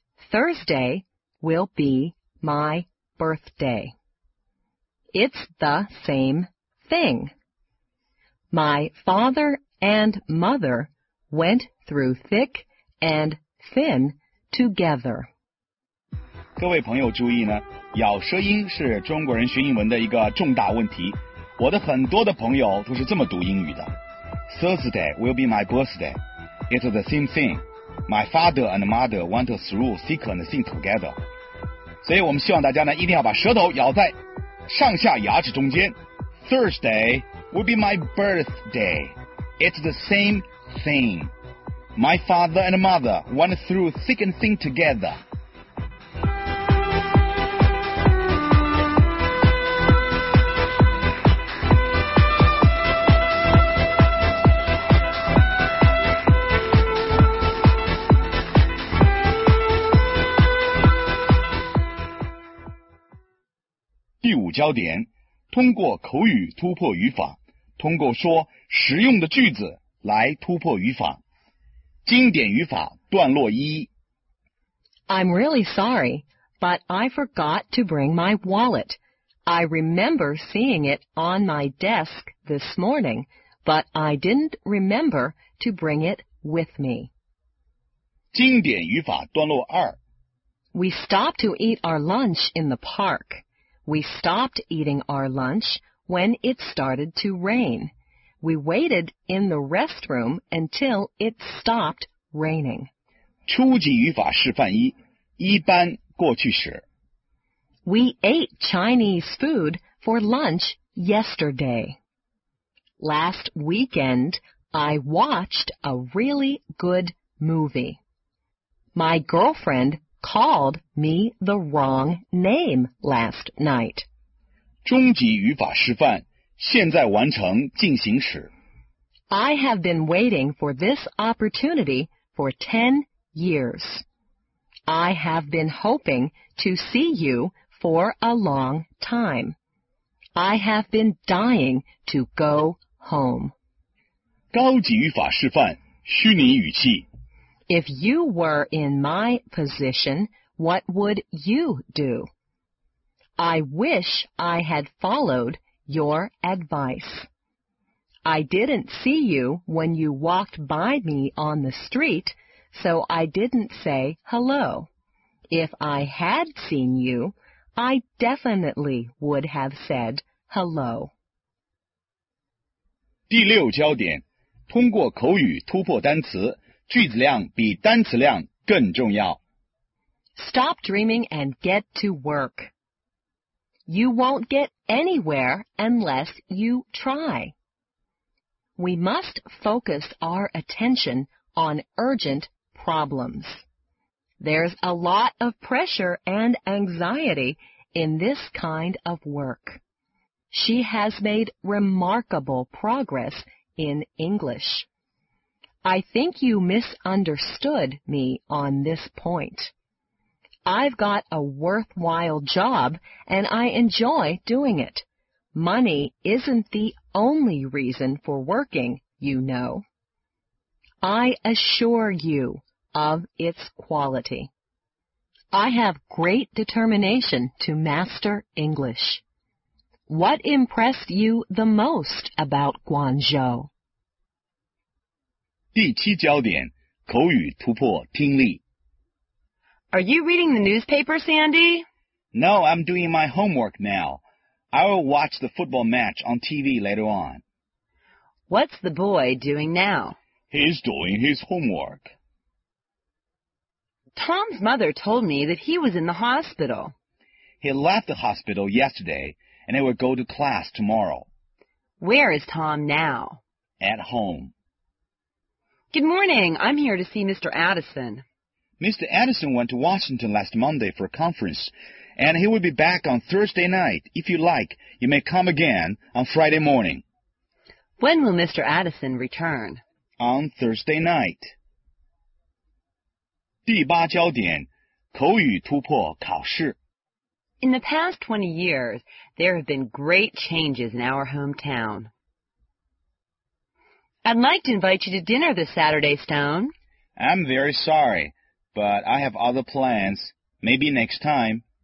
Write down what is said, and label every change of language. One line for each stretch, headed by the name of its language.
English: Thursday will be my birthday. It's the same thing. My father and mother went through thick and thin together.
Chinese: 各位朋友注意呢，咬舌音是中国人学英文的一个重大问题。我的很多的朋友都是这么读英语的。
English: Thursday will be my birthday. It's the same thing. My father and mother went through thick and thin together.
Chinese: 所以我们希望大家呢一定要把舌头咬在上下牙齿中间。
English: Thursday will be my birthday. It's the same thing. My father and mother went through thick and thin together.
Chinese: 焦点，通过口语突破语法，通过说实用的句子来突破语法。经典语法段落一。
English: I'm really sorry, but I forgot to bring my wallet. I remember seeing it on my desk this morning, but I didn't remember to bring it with me.
Chinese: 经典语法段落二。
English: We stopped to eat our lunch in the park. We stopped eating our lunch when it started to rain. We waited in the restroom until it stopped raining.
Chinese: 初级语法示范一，一般过去时。
English: We ate Chinese food for lunch yesterday. Last weekend, I watched a really good movie. My girlfriend,called me the wrong name last night.
Chinese: 终极语法示范，现在完成进行时。
English: I have been waiting for this opportunity for 10 years. I have been hoping to see you for a long time. I have been dying to go home.
Chinese: 高级语法示范，虚拟语气。
English: If you were in my position, what would you do? I wish I had followed your advice. I didn't see you when you walked by me on the street, so I didn't say hello. If I had seen you, I definitely would have said hello.
Chinese: 第六焦点，通过口语突破单词。句子量比单词量更重要。
English: Stop dreaming and get to work. You won't get anywhere unless you try. We must focus our attention on urgent problems. There's a lot of pressure and anxiety in this kind of work. She has made remarkable progress in English. I think you misunderstood me on this point. I've got a worthwhile job, and I enjoy doing it. Money isn't the only reason for working, you know. I assure you of its quality. I have great determination to master English. What impressed you the most about Guangzhou?
Chinese: 第七焦点，口语突破听力。
English: Are you reading the newspaper, Sandy? No, I'm doing my homework now. I will watch the football match on TV later on. What's the boy doing now? He's doing his homework. Tom's mother told me that he was in the hospital. He left the hospital yesterday, and he will go to class tomorrow. Where is Tom now? At home. Good morning. I'm here to see Mr. Addison. Mr. Edison went to Washington last Monday for a conference, and he will be back on Thursday night. If you like, you may come again on Friday morning. When will Mr. Edison return? On Thursday night.
Chinese: 第八焦点，口语突破考试。
English: In the past 20 years, there have been great changes in our hometown. I'd like to invite you to dinner this Saturday, Stone. I'm very sorry, but I have other plans. Maybe next time.